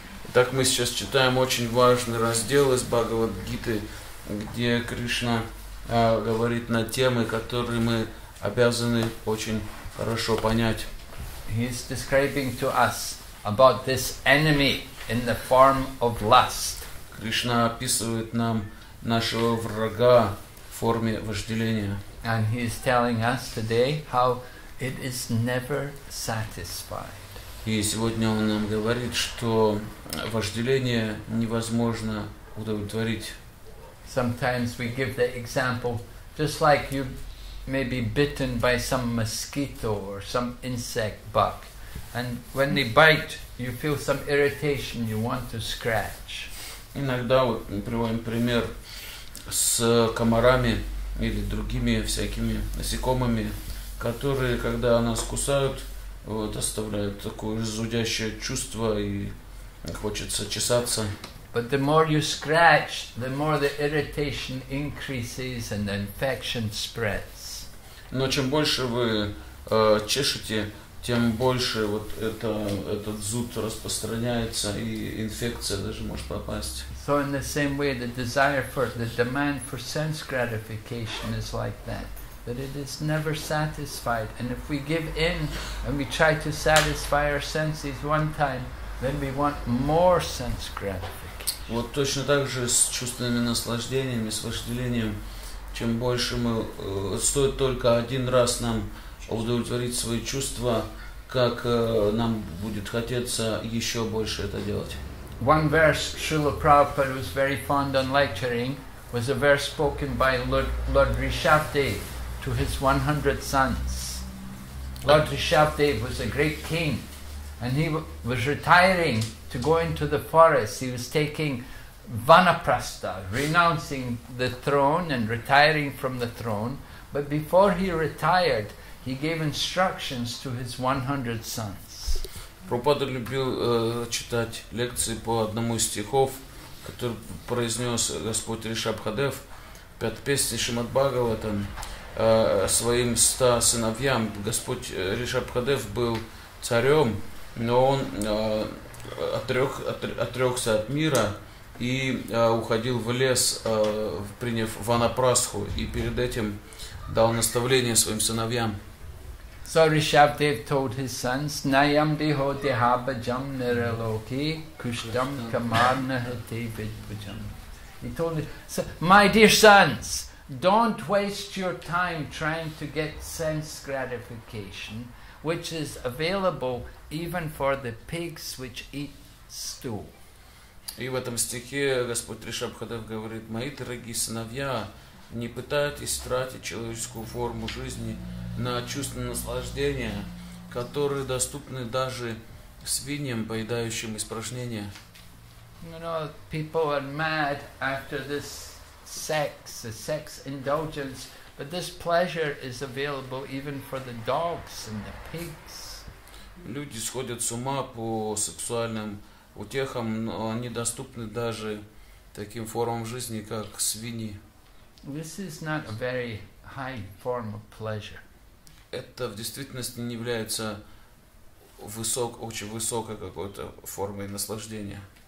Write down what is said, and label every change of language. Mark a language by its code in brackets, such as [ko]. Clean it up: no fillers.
[ru] Итак, мы сейчас читаем очень важный раздел из Бхагавад-гиты, где Кришна говорит на темы, которые мы обязаны очень хорошо понять. [en] He's describing to us about this enemy in the form of lust. [ru] Кришна описывает нам нашего врага в форме вожделения. [en] And he is telling us today how it is never satisfied. [ru] И сегодня он нам говорит, что вожделение невозможно удовлетворить. [en] Sometimes we give the example just like you may be bitten by some mosquito or some insect bug, and when they bite, you feel some irritation, you want to scratch. [ru] Иногда мы приводим пример с комарами или другими всякими насекомыми, которые, когда нас кусают, вот, оставляют такое зудящее чувство и хочется чесаться. [en] But the more you scratch, the more the irritation increases and the infection spreads. [ru] Но чем больше вы чешете, тем больше вот этот зуд распространяется, и инфекция даже может попасть. [en] So in the same way, the desire for, the demand for sense gratification is like that. That it is never satisfied. And if we give in and we try to satisfy our senses one time, then we want more sense gratification. [ru] Вот точно так же с чувственными наслаждениями, с вожделением. Чем больше мы... Стоит только один раз нам удовлетворить свои чувства, как нам будет хотеться еще больше это делать. [en] One verse Srila Prabhupada was very fond on lecturing was a verse spoken by Lord Rishabhdev to his 100 sons. Lord Rishabhdev was a great king, and he was retiring to go into the forest. He was taking vanaprastha, renouncing the throne and retiring from the throne. But before he retired, he gave instructions to his 100 sons. [ru] Прабхупада любил читать лекции по одному из стихов, который произнес Господь Ришабхадев в пятой песне Шримад-Бхагаватам своим 100 сыновьям. Господь Ришабхадев был царем, но он отрекся от мира и уходил в лес, приняв ванапрасху, и перед этим дал наставление своим сыновьям. [en] So Rishabhdev told his sons, [sa] Nayam deho dehabajam niraloki kushtam kamarna hati vidbajam. [en] He told them, my dear sons, don't waste your time trying to get sense gratification, which is available even for the pigs which eat stool. [ru] И в этом стихе Господь Ришабхадев говорит, мои дорогие сыновья, не пытайтесь тратить человеческую форму жизни на чувственные наслаждения, которые доступны даже свиньям, поедающим испражнения. [en] You know, people are mad after this sex, the sex indulgence, but this pleasure is available even for the dogs and the pigs. [ru] Люди сходят с ума по сексуальным утехам, но они доступны даже таким формам жизни, как свиньи. [en] This is not a very high form of pleasure. [ru] Это в действительности не является очень высокой какой-то формой наслаждения.